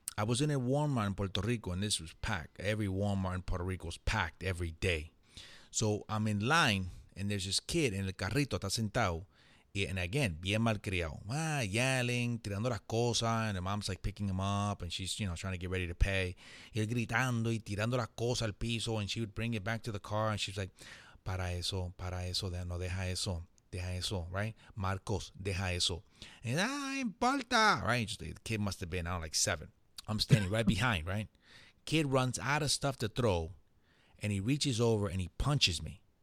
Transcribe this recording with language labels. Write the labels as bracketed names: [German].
[English] I was in a Walmart in Puerto Rico, and this was packed. Every Walmart in Puerto Rico is packed every day. So I'm in line, and there's this kid in [Spanish] el carrito, está sentado. [English] And again, [Spanish] bien malcriado. [English] Yelling, [Spanish] tirando las cosas. [English] And the mom's like picking him up. And she's, you know, trying to get ready to pay. [Spanish] Y él gritando y tirando las cosas al piso. [English] And she would bring it back to the car. And she's like, [Spanish] para eso, no deja eso. Deja eso, [English] right? [Spanish] Marcos, deja eso. [English] And [Spanish] importa, [English] right? Just, the kid must have been, I don't know, like 7. I'm standing right behind, right? Kid runs out of stuff to throw. And he reaches over and he punches me.